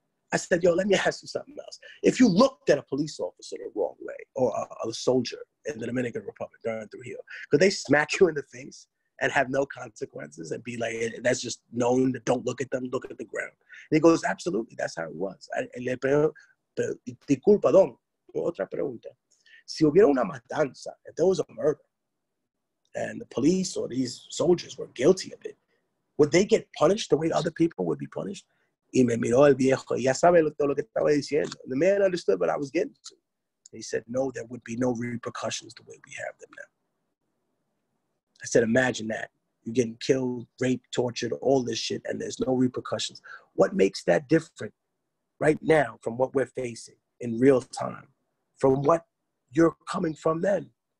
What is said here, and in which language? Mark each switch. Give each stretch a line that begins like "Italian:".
English: I said, yo, let me ask you something else. If you looked at a police officer the wrong way, or a soldier in the Dominican Republic going through here, could they smack you in the face and have no consequences and be like, that's just known, that don't look at them, look at the ground? And he goes, absolutely, that's how it was.
Spanish: Le disculpa, don, otra pregunta. Si hubiera una matanza,
English: if there was a murder, and the police or these soldiers were guilty of it, would they get punished the way other people would be punished?
Spanish: Y me miró el viejo, ya sabe todo lo que estaba diciendo.
English: The man understood what I was getting to. He said, no, there would be no repercussions the way we have them now. I said, imagine that. You're getting killed, raped, tortured, all this shit, and there's no repercussions. What makes that different right now from what we're facing in real time, from what you're coming from then?